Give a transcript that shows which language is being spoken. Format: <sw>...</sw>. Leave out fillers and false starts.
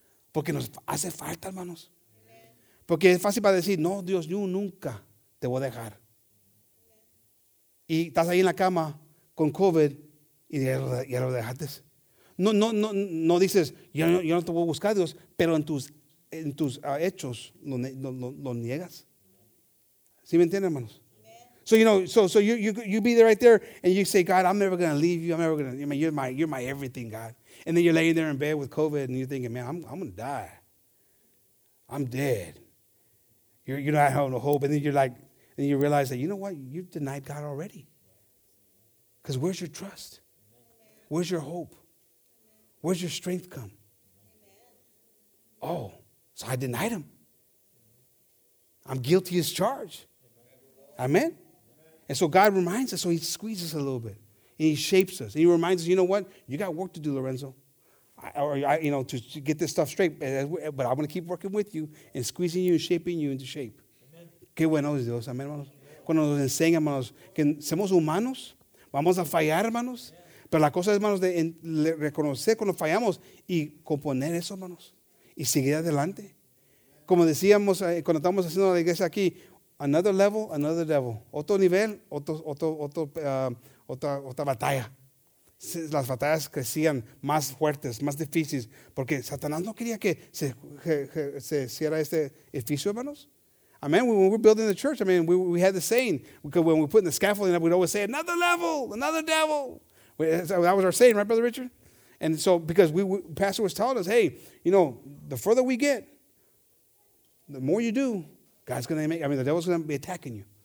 <es>Porque nos hace falta, hermanos. Porque es fácil para decir, no, Dios, yo nunca te voy a dejar. Y estás ahí en la cama con COVID y ya lo dejaste. No dices, yo no te voy a buscar, Dios, pero en tus hechos lo niegas. ¿Sí me entienden, hermanos? Amen.</es> <en>So, you know, so you be there right there and you say, God, I'm never going to leave you. I'm never going to, I mean, you're my everything, God. And then you're laying there in bed with COVID and you're thinking, man, I'm going to die. I'm dead. You're not having a hope. And then you're like, and you realize that, you know what? You've denied God already. Because where's your trust? Where's your hope? Where's your strength come? Oh, So I denied him. I'm guilty as charged. Amen. And so God reminds us. So he squeezes us a little bit. And he shapes us. And he reminds us, you know what? You got work to do, Lorenzo. To get this stuff straight. But I'm going to keep working with you and squeezing you and shaping you into shape.</en> <es>Qué bueno es Dios. Amén, hermanos. Cuando nos enseña, hermanos, que somos humanos, vamos a fallar, hermanos. Pero la cosa, hermanos, de reconocer cuando fallamos y componer eso, hermanos, y seguir adelante. Como decíamos cuando estábamos haciendo la iglesia aquí,</es> <en>another level, another devil.</en> <es>Otro nivel, otra batalla. Las batallas crecían más fuertes, más difíciles, porque Satanás no quería que se hiciera este edificio, hermanos. Amen.</es> <en>When we're building the church, we had the saying, because when we're putting the scaffolding up, we'd always say, another level, another devil. That was our saying, right, Brother Richard? And so, because Pastor was telling us, hey, you know, the further we get, the more you do, God's going to make, the devil's going to be attacking you.</en>